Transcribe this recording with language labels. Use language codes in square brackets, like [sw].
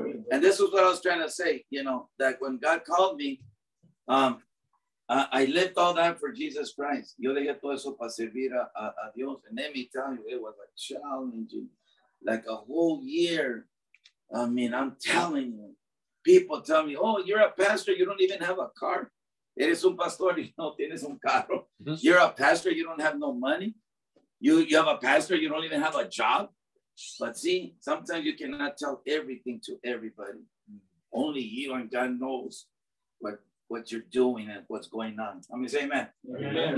[en] And this is what I was trying to say, you know, that when God called me, I left all that for Jesus Christ. [es] Yo dejé todo eso para servir a Dios. [en] And let me tell you, it was a challenging, like a whole year. I mean, I'm telling you, people tell me, oh, you're a pastor, you don't even have a car. [es] Eres un pastor y no tienes un carro. [en] You're a pastor, you don't have no money. You have a pastor, you don't even have a job. But see, sometimes you cannot tell everything to everybody. Only you and God knows what you're doing and what's going on. I mean, say amen. Amen.